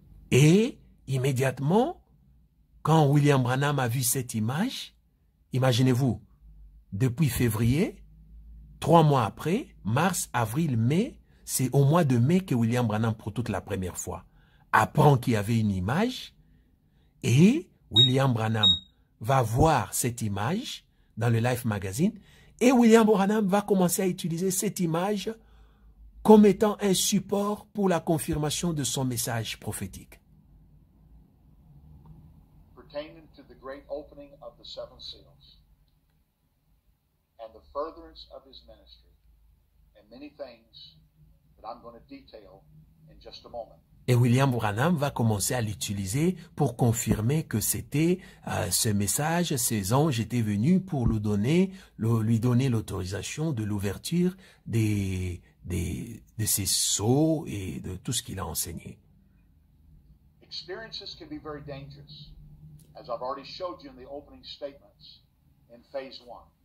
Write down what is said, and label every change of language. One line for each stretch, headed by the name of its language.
French: Et immédiatement, quand William Branham a vu cette image, imaginez-vous, depuis février, trois mois après, mars, avril, mai, c'est au mois de mai que William Branham, pour toute la première fois, apprend qu'il y avait une image, et William Branham va voir cette image dans le Life Magazine, et William Branham va commencer à utiliser cette image comme étant un support pour la confirmation de son message prophétique.
English: Pertaining to the great opening of the seven seals and the furtherance of his ministry and many things that I'm going to detail in just a moment.
French: Et William Branham va commencer à l'utiliser pour confirmer que c'était ce message, ces anges étaient venus pour lui donner l'autorisation de l'ouverture de ses sceaux et de tout ce qu'il a enseigné.
English: Experiences can be very dangerous, as I've already showed you in the opening statements in phase one.